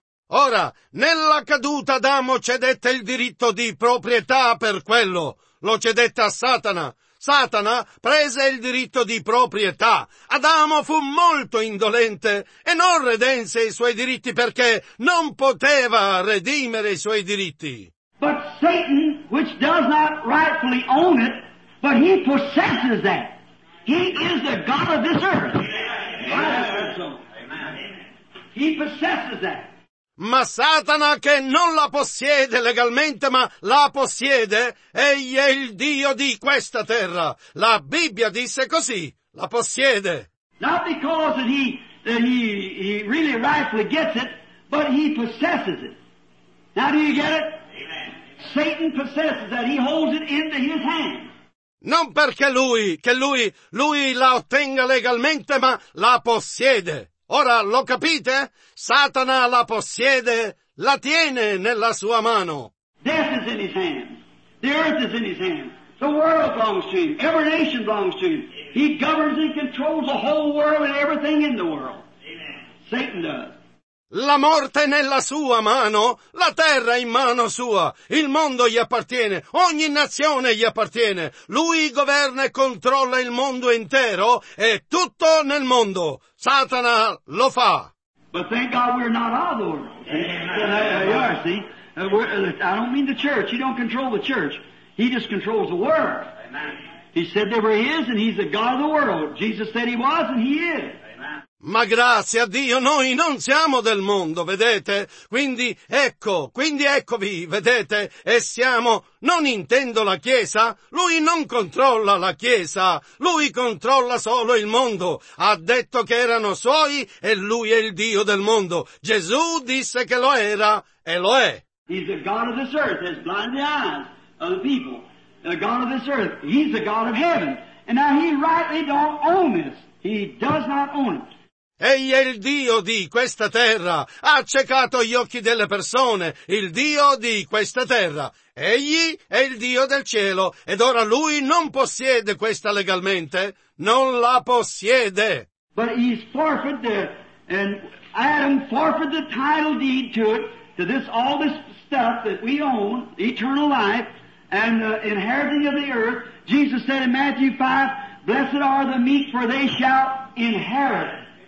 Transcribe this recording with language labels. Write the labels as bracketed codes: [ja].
[it] Ora, nella caduta Adamo cedette il diritto di proprietà per quello. Lo cedette a Satana. Satana prese il diritto di proprietà. Adamo fu molto indolente e non redense i suoi diritti perché non poteva redimere i suoi diritti. [en] But Satan, which does not rightfully own it, but he possesses that. He is the God of this earth. Amen. Amen. He possesses that. [it] Ma Satana, che non la possiede legalmente, ma la possiede, egli è il Dio di questa terra. La Bibbia disse così, la possiede. [en] Not because that he really rightfully gets it, but he possesses it. Now do you get it? Amen. Satan possesses that. He holds it into his hand. [it] Non perché lui la ottenga legalmente, ma la possiede. Ora lo capite? Satana la possiede, la tiene nella sua mano. [en] Death is in his hand. The earth is in his hand. The world belongs to him. Every nation belongs to him. He governs and controls the whole world and everything in the world. Amen. Satan does. [it] La morte nella sua mano, la terra in mano sua, il mondo gli appartiene, ogni nazione gli appartiene. Lui governa e controlla il mondo intero e tutto nel mondo. Satana lo fa. [en] But thank God we're not all the world. Amen. I don't mean the church. He don't control the church. He just controls the world. Amen. He said they were His, and He's the God of the world. Jesus said He was, and He is. [it] Ma grazie a Dio, noi non siamo del mondo, vedete? Quindi eccovi, vedete? E siamo, non intendo la Chiesa, Lui non controlla la Chiesa, Lui controlla solo il mondo. Ha detto che erano Suoi e Lui è il Dio del mondo. Gesù disse che lo era e lo è. [en] He's the God of this earth, has blinded the eyes of the people. The God of this earth, He's the God of heaven. And now He rightly don't own this. He does not own it. [it] Egli è il Dio di questa terra, ha accecato gli occhi delle persone, il Dio di questa terra. Egli è il Dio del cielo, ed ora Lui non possiede questa legalmente, non la possiede. [en] But he's forfeited, and Adam forfeited the title deed to it, to this, all this stuff that we own, eternal life, and the inheriting of the earth. Jesus said in Matthew 5, blessed are the meek, for they shall inherit.